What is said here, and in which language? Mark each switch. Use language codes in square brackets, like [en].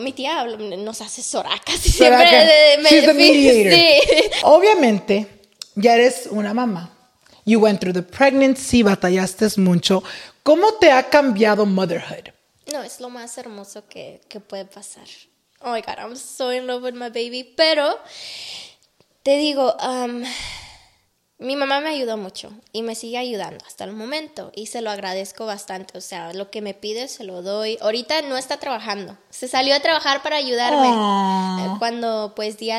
[es] Mi tía habló, nos asesora casi siempre. [en] She's a mediator. [es] Sí. Obviamente, ya eres una mamá. [en] You went through the pregnancy, [es] batallaste mucho. ¿Cómo te ha cambiado [en] motherhood? [es] No, es lo más hermoso que puede pasar. [en] Oh my God, I'm so in love with my baby. [es] Pero te digo, mi mamá me ayudó mucho y me sigue ayudando hasta el momento. Y se lo agradezco bastante. O sea, lo que me pide se lo doy. Ahorita no está trabajando. Se salió a trabajar para ayudarme. Aww. Cuando pues di a